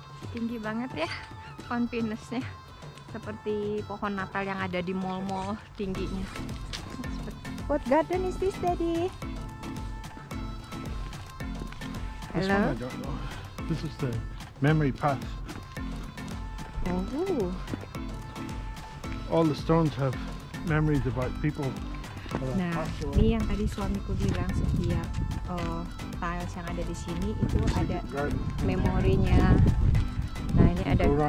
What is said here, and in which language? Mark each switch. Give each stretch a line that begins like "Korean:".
Indonesian: Tinggi banget ya pohon pinusnya. Seperti pohon Natal yang ada di mall-mall tingginya.
English: What garden is this, Daddy? Hello. This is the memory path. Oh. All the stones have memories about people.
Indonesian: Nah, ini yang tadi suamiku bilang setiap tiles yang ada di sini itu ada memorinya. Nah, ini ada.